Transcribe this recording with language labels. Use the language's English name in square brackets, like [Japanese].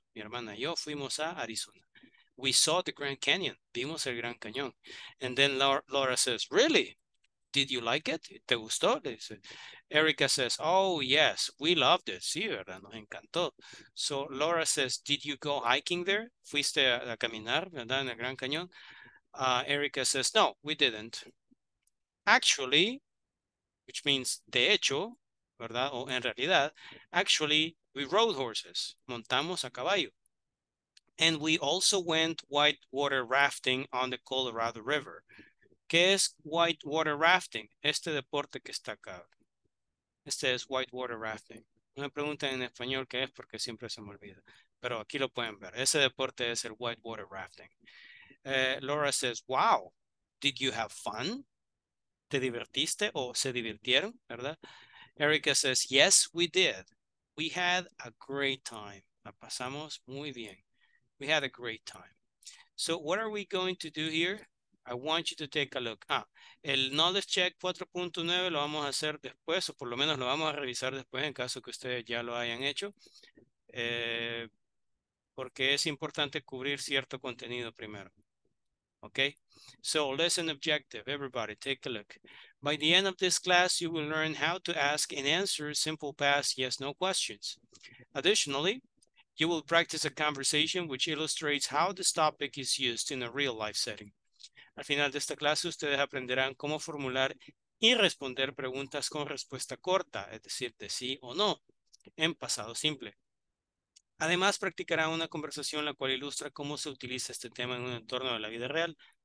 [Spanish] Mi hermana y yo fuimos a Arizona. [English] We saw the Grand Canyon. [Spanish] Vimos el Gran Cañón. [English] And then Laura says, really? Did you like it? [Spanish] ¿Te gustó? [English] Erica says, oh, yes, we loved it. [Spanish] Sí, verdad, nos encantó. [English] So Laura says, did you go hiking there? [Spanish] ¿Fuiste a caminar, verdad, en el Gran Cañón? [English] Erica says, no, we didn't. Actually, which means [Spanish] de hecho, ¿verdad? O en realidad, actually, [English] we rode horses, [Spanish] montamos a caballo. [English] And we also went whitewater rafting on the Colorado River. [Spanish] ¿Qué es whitewater rafting? Este deporte que está acá. Este es whitewater rafting. Una pregunta en español qué es porque siempre se me olvida. Pero aquí lo pueden ver. Ese deporte es el whitewater rafting. [English] Laura says, wow, did you have fun? [Spanish] ¿Te divertiste o se divirtieron, verdad? [English] Erica says, yes, we did. We had a great time. [Spanish] La pasamos muy bien. [English] We had a great time. So what are we going to do here? I want you to take a look. [Spanish] Ah, el knowledge check 4.9 lo vamos a hacer después, o por lo menos lo vamos a revisar después en caso que ustedes ya lo hayan hecho. Porque es importante cubrir cierto contenido primero. [English] Okay, so lesson objective, everybody, take a look. By the end of this class, you will learn how to ask and answer simple past yes-no questions. Additionally, you will practice a conversation which illustrates how this topic is used in a real-life setting. [Spanish] Al final de esta clase, ustedes aprenderán cómo formular y responder preguntas con respuesta corta, es decir, de sí o no, en pasado simple. Además, practicará una conversación la cual ilustra cómo se utiliza este tema en un entorno de la vida real.